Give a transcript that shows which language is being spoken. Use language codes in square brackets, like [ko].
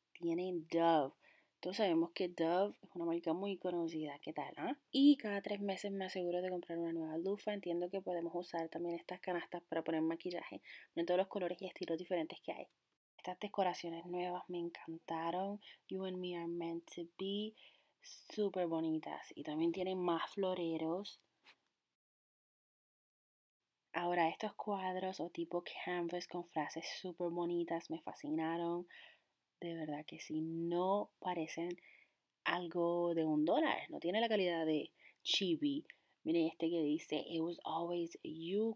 [es] Tienen Dove. Todos sabemos que Dove es una marca muy conocida. ¿Qué tal, ah? Y cada 3 meses me aseguro de comprar una nueva lufa. Entiendo que podemos usar también estas canastas para poner maquillaje en todos los colores y estilos diferentes que hay. Estas decoraciones nuevas me encantaron. [en] You and me are meant to be. [es] Súper bonitas. Y también tienen más floreros. Ahora estos cuadros o tipo canvas con frases súper bonitas me fascinaron. De verdad que sí. No parecen algo de $1. No tiene la calidad de chibi. Miren este que dice [en] it was always you.